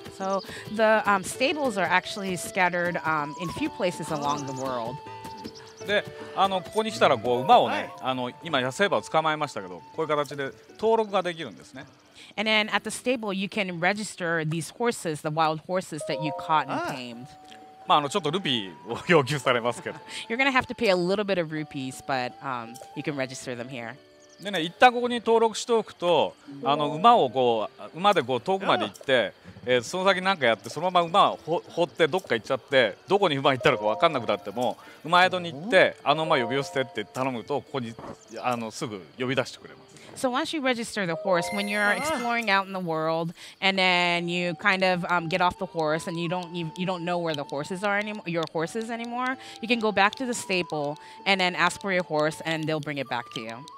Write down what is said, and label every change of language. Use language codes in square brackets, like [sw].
[en] So the stables are actually scattered in few places along the world. [ja] でここに来たらこう馬をね今野生馬を捕まえましたけど、こういう形で登録ができるんですね。 [en] And then at the stable you can register these horses, the wild horses that you caught and tamed. [ja] まあちょっとルピーを要求されますけど。 [en] You're gonna have to pay a little bit of rupees, but you can register them here. [ja] でね、一旦ここに登録しておくと馬をこう馬でこう遠くまで行って、その先何かやってそのまま馬を放ってどっか行っちゃって、どこに馬行ったのか分かんなくなっても、馬宿に行って馬呼び寄せてって頼むとここにすぐ呼び出してくれます。 [en] So once you register the horse, when you're exploring out in the world, and then you kind of get off the horse, and you don't know where the horses are anymore, your horses anymore, you can go back to the stable and then ask for your horse, and they'll bring it back to you.